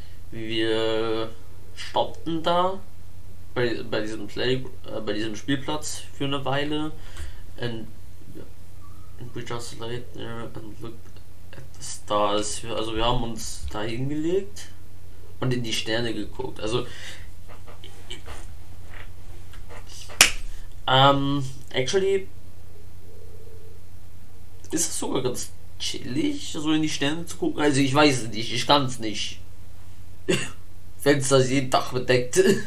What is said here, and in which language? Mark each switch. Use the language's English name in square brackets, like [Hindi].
[German] Wir stoppten da bei diesem Spielplatz für eine Weile. [English] And we just laid there and looked at the stars. [German] Also wir haben uns da hingelegt und in die Sterne geguckt. Also actually ist es sogar ganz chillig, so in die Sterne zu gucken. Also ich weiß es nicht, ich kann es nicht. Fenster ist jeden Tag bedeckt.